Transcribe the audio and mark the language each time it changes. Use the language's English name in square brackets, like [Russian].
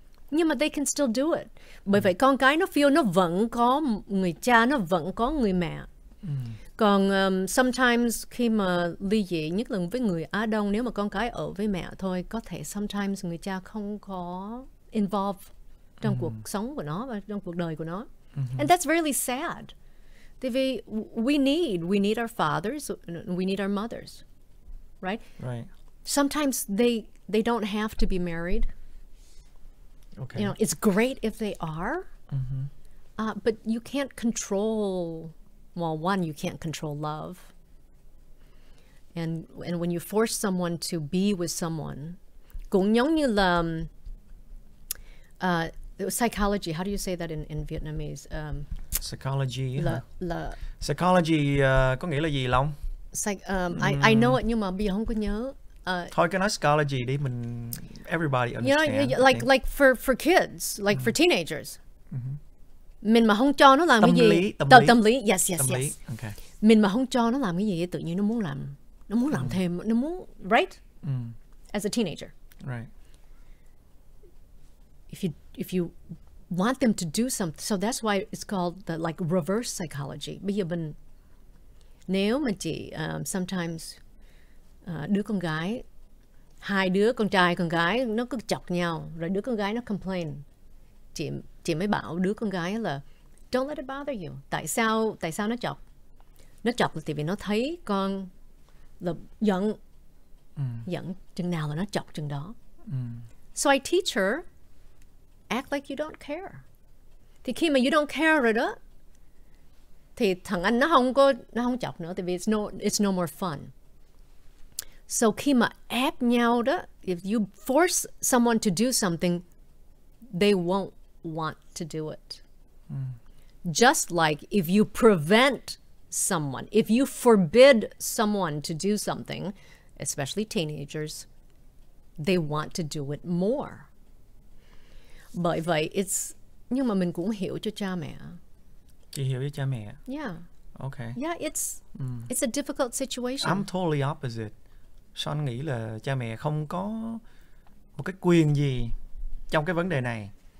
[Vietnamese] Nhưng mà [English] they can still do it. [Vietnamese] Bởi vậy con cái nó feel nó vẫn có người cha, nó vẫn có người mẹ. Còn sometimes khi mà ly dị, nhất là với người Á Đông, nếu mà con cái ở với mẹ thôi, có thể sometimes người cha không có involve trong cuộc sống của nó và trong cuộc đời của nó. [English] And that's really sad. [Vietnamese] Tại vì [English] we need our fathers, we need our mothers. Right? Right. Sometimes they don't have to be married. Okay. You know, it's great if they are, but you can't control, well, one, you can't control love. And when you force someone to be with someone, [Vietnamese] cũng giống như là, [English] psychology, how do you say that in Vietnamese? Psychology. [Vietnamese] Là. Psychology có nghĩa là gì, Long? [English] I know it, [Vietnamese] nhưng mà bây giờ không có nhớ. Thôi cứ nói psychology đi, mình [English] everybody understand. You know, like for kids, like for teenagers. [Vietnamese] Mình mà không cho nó làm tâm cái gì. Tâm lý. [English] Yes. [Vietnamese] Tâm lý. Okay. Mình mà không cho nó làm cái gì, tự nhiên nó muốn làm thêm, nó muốn, right? [English] As a teenager. Right. If you want them to do something, so that's why it's called the like reverse psychology. [Vietnamese] Bây giờ mình nếu mà chị sometimes đứa con gái, hai đứa con trai con gái nó cứ chọc nhau, rồi đứa con gái nó complain, chị mới bảo đứa con gái là [English] don't let it bother you. [Vietnamese] Tại sao nó chọc? Nó chọc là tại vì nó thấy con là giận. Giận chừng nào là nó chọc chừng đó. [English] So I teach her act like you don't care. [Vietnamese] Thì khi mà [English] you don't care [Vietnamese] rồi đó thì thằng anh nó không chọc nữa, tại vì [English] it's no more fun. So [Vietnamese] khi mà ép nhau đó, [English] if you force someone to do something, they won't want to do it. Just like if you prevent someone, if you forbid someone to do something, especially teenagers, they want to do it more. [Vietnamese] Bởi vậy, it's, nhưng mà mình cũng hiểu cho cha mẹ. Chị hiểu cho cha mẹ. [English] Yeah. Okay. Yeah, it's it's a difficult situation. I'm totally opposite. [Vietnamese] Sean nghĩ là cha mẹ không có một cái quyền gì trong cái vấn đề này.